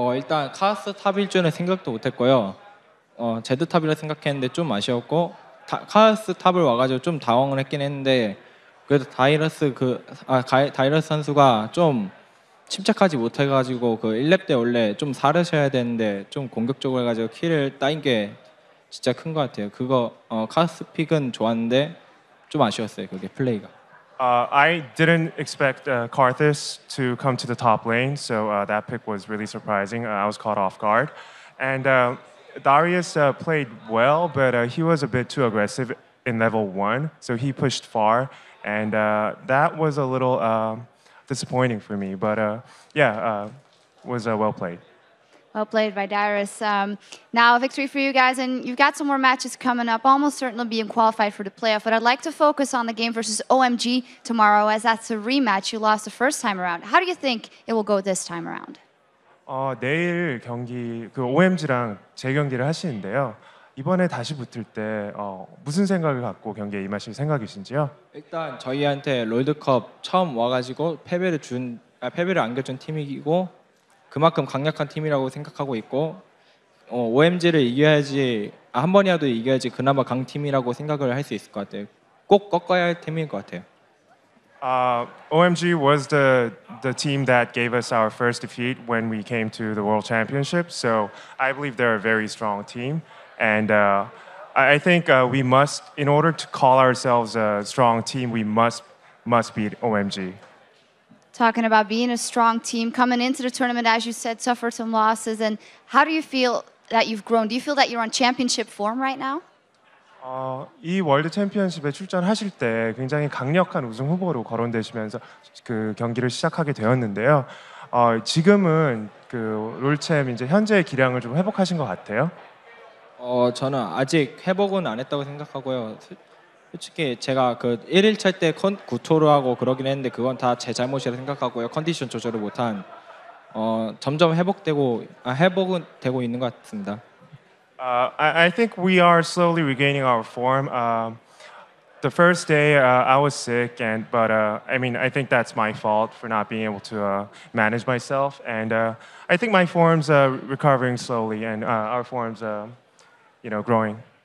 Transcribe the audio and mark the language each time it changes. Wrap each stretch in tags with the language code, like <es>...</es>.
<ko>일단 카서스 탑일 줄은 생각도 못 했고요. 제드 탑이라 생각했는데 좀 아쉬웠고 카서스 탑을 와가지고 좀 당황을 했긴 했는데 그래도 다이러스 선수가 좀 침착하지 못해가지고 그 1렙 때 원래 좀 사르셔야 되는데 좀 공격적으로 해가지고 킬을 따인 게 진짜 큰 것 같아요. 그거 카스 픽은 좋았는데 좀 아쉬웠어요. 그게 플레이가.</ko> <en>I didn't expect Karthus to come to the top lane, so that pick was really surprising. I was caught off guard. And Darius played well, but he was a bit too aggressive in level one, so he pushed far, and that was a little disappointing for me. But was well played. Well played by Dyrus. Now a victory for you guys, and you've got some more matches coming up, almost certainly being qualified for the playoff, but I'd like to focus on the game versus OMG tomorrow, as that's a rematch you lost the first time around. How do you think it will go this time around?</en> <ko>내일 경기, 그 OMG랑 재경기를 하시는데요. 이번에 다시 붙을 때 무슨 생각을 갖고 경기에 임하실 생각이신지요? 일단 저희한테 롤드컵 처음 와가지고 패배를 안겨준 팀이고 그만큼 강력한 팀이라고 생각하고 있고 OMG를 이겨야지 한 번이라도 이겨야지 그나마 강 팀이라고 생각을 할 수 있을 것 같아요. 꼭 꺾어야 할 팀인 것 같아요.</ko> <en>OMG was the team that gave us our first defeat when we came to the World Championship. So I believe they're a very strong team, and I think we must, in order to call ourselves a strong team, we must beat OMG. Talking about being a strong team, coming into the tournament, as you said, suffered some losses. And how do you feel that you've grown? Do you feel that you're on championship form right now?</en> <ko>이 월드 챔피언십에 출전하실 때 굉장히 강력한 우승 후보로 거론되시면서 그 경기를 시작하게 되었는데요. 지금은 그 롤챔 이제 현재의 기량을 좀 회복하신 것 같아요? 저는 아직 회복은 안 했다고 생각하고요. 솔직히 제가 그 1일 찰 때 구토로 하고 그러긴 했는데 그건 다 제 잘못이라 생각하고요. 컨디션 조절을 못한 점점 회복은 되고 있는 것 같습니다.</ko> <en>I think we are slowly regaining our form. The first day I was sick, but I think that's my fault for not being able to manage myself. And I think my form's recovering slowly, and our form's growing.</en>